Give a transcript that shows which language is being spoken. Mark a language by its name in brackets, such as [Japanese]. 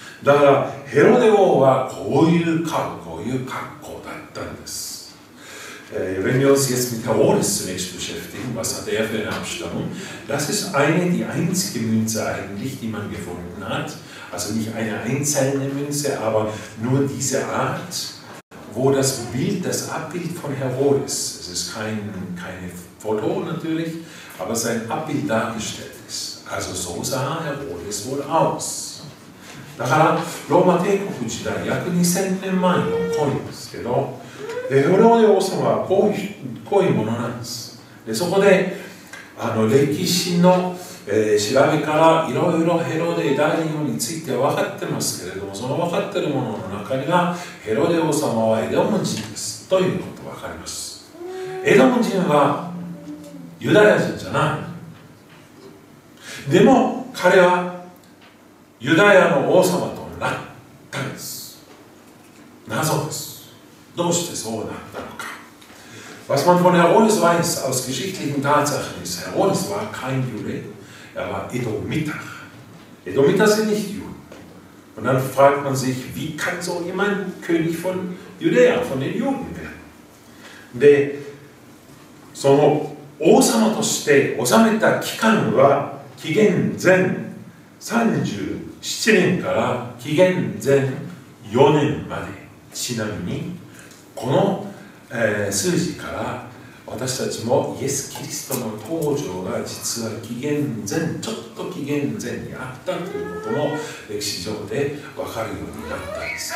[Japanese] だからヘロデ王はこういう顔、こういう格好だったんです。 [German] Wenn wir uns jetzt mit Herodes zunächst beschäftigen, was hat er für eine Abstammung? Das ist eine, die einzige Münze eigentlich, die man gefunden hat. Also nicht eine einzelne Münze, aber nur diese Art, wo das Bild, das Abbild von Herodes, es ist kein Foto natürlich, aber sein Abbild dargestellt ist. Also so sah Herodes wohl aus. [Japanese] だから、ローマ帝国時代、約2000年前のコインですけど、ヘロデ王様はこういうものなんです。でそこで、歴史の、調べから、いろいろヘロデ大王について分かってますけれども、その分かってるものの中には、ヘロデ王様はエドム人です。ということが分かります。エドム人はユダヤ人じゃない。でも、彼は、ユダヤの王様となったんです。謎です。どうしてそうなったのか。 [German] Was man von Herodes weiß aus geschichtlichen Tatsachen ist, Herodes war kein Jude, er war Edomiter. Edomiter sind nicht Juden. Und dann fragt man sich, wie kann so jemand König von Judäa, von den Juden werden? [Japanese] で、その王様として治めた期間は紀元前37年から紀元前4年まで。ちなみに、この、数字から私たちもイエス・キリストの登場が実は紀元前、ちょっと紀元前にあったということも歴史上で分かるようになったんです。